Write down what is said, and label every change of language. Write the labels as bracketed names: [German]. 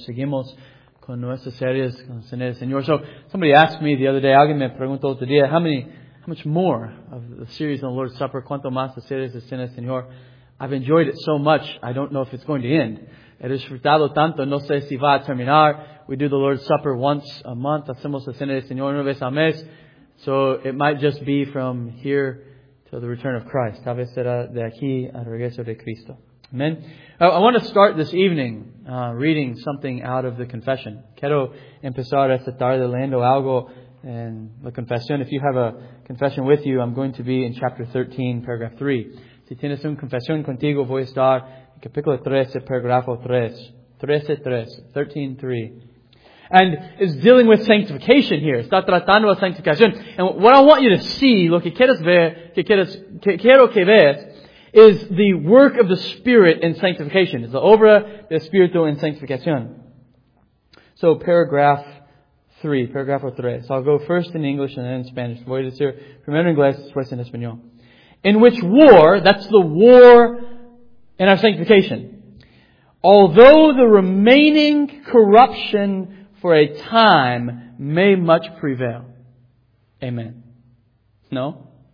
[Spanish] Seguimos con nuestras series con el Señor. [English] So somebody asked me the other day, [Spanish] alguien me preguntó otro día, [English] how much more of the series on the Lord's Supper, [Spanish] cuánto más de series de el Señor? [English] I've enjoyed it so much, I don't know if it's going to end. [Spanish] He disfrutado tanto, no sé si va a terminar. [English] We do the Lord's Supper once a month. [Spanish] Hacemos la cena del Señor una vez al mes. [English] So it might just be from here to the return of Christ. [Spanish] Tal vez será de aquí al regreso de Cristo. [English] Amen. I want to start this evening reading something out of the confession. [Spanish] Quiero empezar esta tarde leyendo algo en la confesión. [English] If you have a confession with you, I'm going to be in chapter 13, paragraph 3. [Spanish] Si tienes una confesión contigo, voy a estar en capítulo 13, paragrafo 3. [English] 13:3. And it's dealing with sanctification here. [Spanish] Está tratando la sanctificación. [English] And what I want you to see, [Spanish] lo que quieres ver, quiero que veas, [English] is the work of the Spirit in sanctification. [Spanish] Es la obra del Espíritu en sanctificación. So, paragrafo 3. [English] So I'll go first in English and then in Spanish. [Spanish] Voy a decir primero en inglés, después en español. [English] In which war, that's the war in our sanctification, although the remaining corruption for a time may much prevail. Amen. No?